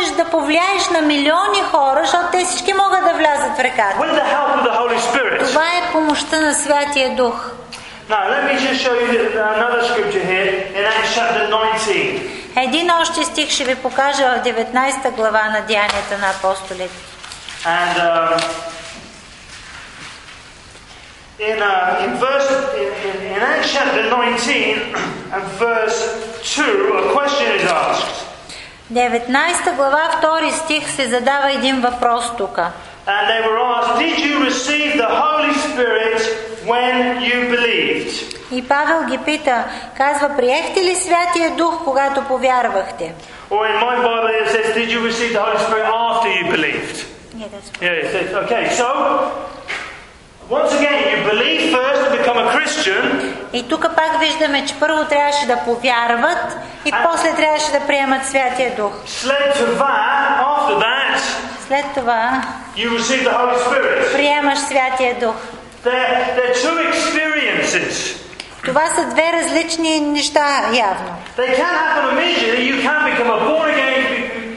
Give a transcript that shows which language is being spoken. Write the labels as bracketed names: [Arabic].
[Bulgarian] Повлияеш на милиони хора, защото те всички могат да влязат в реката. [English] With the help of the Holy Spirit. [Bulgarian] Това е помощта на Святия Дух. [English] Now, let me just show you another scripture here in Acts chapter 19. [Bulgarian] Един още стих ще ви покажа в 19-та глава на Деянията на апостолите. [English] And in Acts chapter 19 and verse 2, a question is asked. [Bulgarian] 19 глава, 2 стих се задава един въпрос тук. [English] And they were asked, did you receive the Holy Spirit when you believed? [Bulgarian] И Павел ги пита, казва, приехте ли Святия Дух, когато повярвахте? [English] Or in my Bible it says, did you receive the Holy Spirit after you believed? Yeah, that's right. Yeah, okay, so... Once again, you believe first to become a Christian. [Bulgarian] И тук пак виждаме, че първо трябваше да повярват и после трябваше да приемат Святия Дух. След това, [English] you receive the Holy Spirit. [Bulgarian] Приемаш Святия Дух. [English] They're two experiences. [Bulgarian] Това са две различни неща явно. [English] They can happen immediately. You can become a born again.